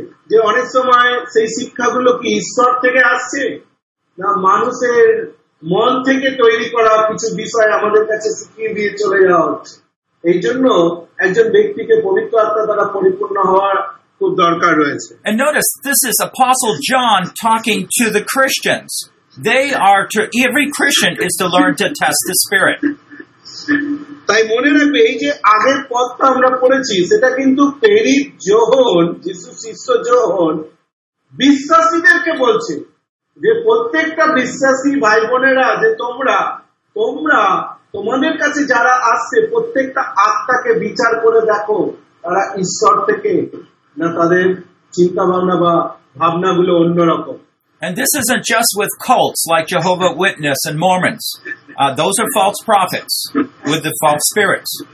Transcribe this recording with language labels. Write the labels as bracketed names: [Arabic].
[Bangla] যে অনেক সময় সেই শিক্ষাগুলো কি ঈশ্বর থেকে আসছে না মানুষের মন থেকে তৈরি করা কিছু বিষয় আমাদের কাছে শিখিয়ে দিয়ে চলে যাওয়া হচ্ছে, এই জন্য একজন ব্যক্তিকে পবিত্র আত্মা দ্বারা পরিপূর্ণ হওয়ার খুব দরকার রয়েছে। [English] And notice this is Apostle John talking to the Christians. They are to every Christian is to learn to test the spirit. [Bangla] তাই মনে রাখবে এই যে আগের পথটা আমরা পড়েছি সেটা কিন্তু প্রেরিত যোহন যিশু শিষ্য যোহন বিশ্বাসীদেরকে বলছে যে প্রত্যেকটা বিশ্বাসী ভাই বোনেরা যে তোমরা তোমাদের কাছে যারা আসছে প্রত্যেকটা আত্মাকে বিচার করে দেখো তারা ঈশ্বর থেকে না তাদের চিন্তা ভাবনা বা ভাবনা গুলো অন্যরকম। [English] And this isn't just with cults like Jehovah's Witness and Mormons. Those are false prophets with the false spirits.